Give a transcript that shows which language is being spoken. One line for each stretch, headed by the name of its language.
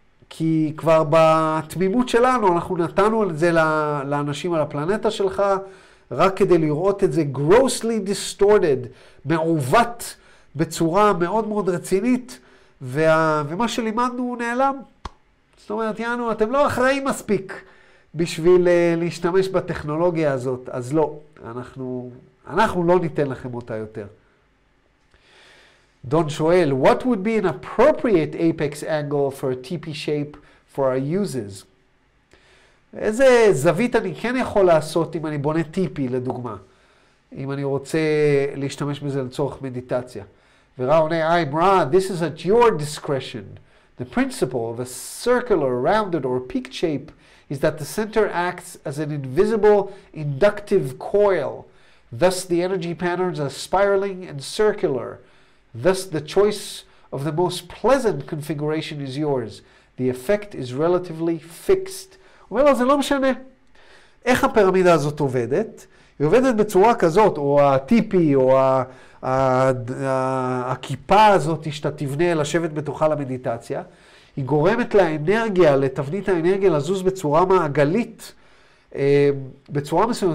Hebrew: כי כבר בתמימות שלנו אנחנו נתנו את זה לאנשים על הפלנטה שלך, רק כדי לראות את זה
English: grossly distorted,
Hebrew: מעוות בצורה מאוד מאוד רצינית, ומה שלימדנו הוא נעלם. זאת אומרת, יאנו, אתם לא אחראים מספיק בשביל להשתמש בטכנולוגיה הזאת, אז לא, אנחנו לא ניתן לכם אותה יותר.
English: Don Joel, what would be an appropriate apex angle for a teepee shape for our uses?
Hebrew: איזה זווית אני כן יכול לעשות אם אני בונה טיפי, לדוגמה, אם אני רוצה להשתמש בזה לצורך מדיטציה. וראוני,
English: I'm Ra, this is at your discretion. The principle of a circular, rounded, or peaked shape is that the center acts as an invisible inductive coil. Thus, the energy patterns are spiraling and circular. Thus, the choice of the most pleasant configuration is yours. The effect is relatively fixed.
Hebrew: אומר לו, זה לא משנה. איך הפירמידה הזאת עובדת? היא עובדת בצורה כזאת, או הטיפי, או הכיפה הזאת שאתה תבנה לשבת בתוכה למדיטציה. היא גורמת לאנרגיה, לתבנית האנרגיה, לזוז בצורה מעגלית, בצורה מסוימת.